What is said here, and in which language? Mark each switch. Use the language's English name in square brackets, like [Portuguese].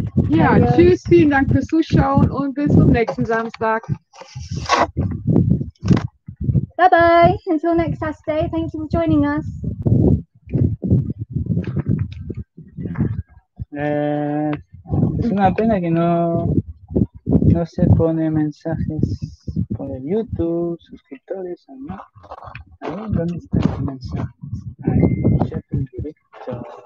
[German] Ya, tschüss, vielen Dank fürs Zuschauen und bis zum nächsten Samstag. [English] Bye-bye. Until next Saturday, thank you for joining us. [Spanish] Es una pena que no se pone mensajes por el YouTube, suscriptores, ¿no? Ahí, ¿dónde están los mensajes? Ahí, chat en directo.